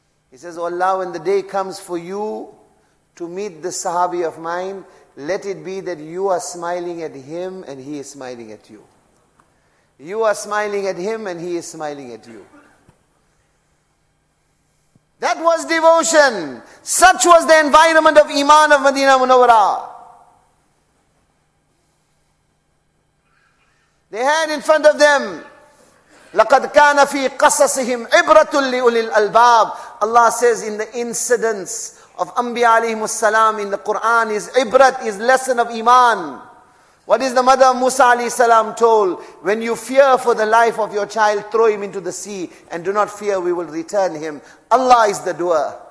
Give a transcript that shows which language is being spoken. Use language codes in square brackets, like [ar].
[en] He says, oh Allah, when the day comes for you to meet the sahabi of mine, let it be that you are smiling at him and he is smiling at you. You are smiling at him and he is smiling at you. That was devotion. Such was the environment of Iman of Madinah Munawwara. They had in front of them, [ar] لَقَدْ كَانَ فِي قَصَصِهِمْ عِبْرَةٌ لِأُولِي الْأَلْبَابِ. [en] Allah says in the incidents of Anbiya alayhimus salam in the Quran is ibrat, is lesson of Iman. What is the mother of Musa alayhi salam told? When you fear for the life of your child, throw him into the sea and do not fear, we will return him. Allah is the doer.